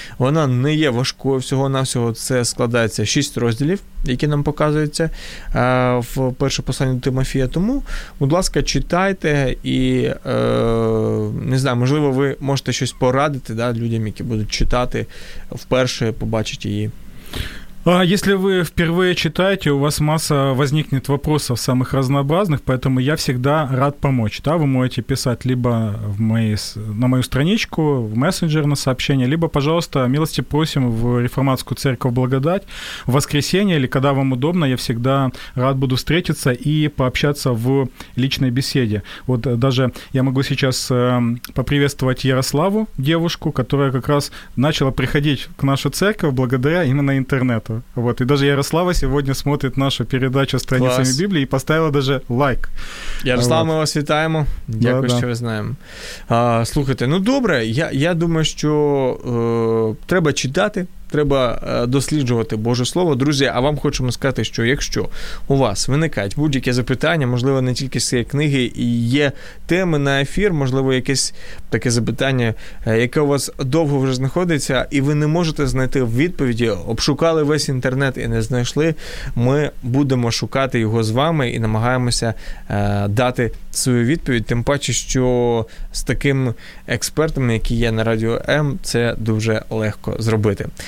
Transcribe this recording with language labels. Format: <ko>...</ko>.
<uk>Вона не є важкою всього-навсього. Це складається 6 розділів, які нам показуються в першому посланні до Тимофія. Тому, будь ласка, читайте і, не знаю, можливо, ви можете щось порадити, да, людям, які будуть читати вперше, побачать її.</uk> <ru>Если вы впервые читаете, у вас масса возникнет вопросов самых разнообразных, поэтому я всегда рад помочь. Да, вы можете писать либо на мою страничку, в мессенджер на сообщение, либо, пожалуйста, милости просим в Реформатскую Церковь Благодать в воскресенье или когда вам удобно, я всегда рад буду встретиться и пообщаться в личной беседе. Вот даже я могу сейчас поприветствовать Ярославу, девушку, которая как раз начала приходить к нашу церковь благодаря именно интернету. Вот. И даже Ярослава сегодня смотрит нашу передачу «Страницами Класс. Библии» и поставила даже лайк. Ярослава, вот. Мы вас вітаем. Дякую, да. Что вы знаем.</ru> <uk>Слухайте, ну, добре, я думаю, что треба читати, треба досліджувати Боже Слово. Друзі, а вам хочемо сказати, що якщо у вас виникають будь-які запитання, можливо, не тільки з цієї книги, і є теми на ефір, можливо, якесь таке запитання, яке у вас довго вже знаходиться, і ви не можете знайти відповіді, обшукали весь інтернет і не знайшли, ми будемо шукати його з вами і намагаємося дати свою відповідь, тим паче, що з таким експертом, який є на Радіо М, це дуже легко зробити.</uk>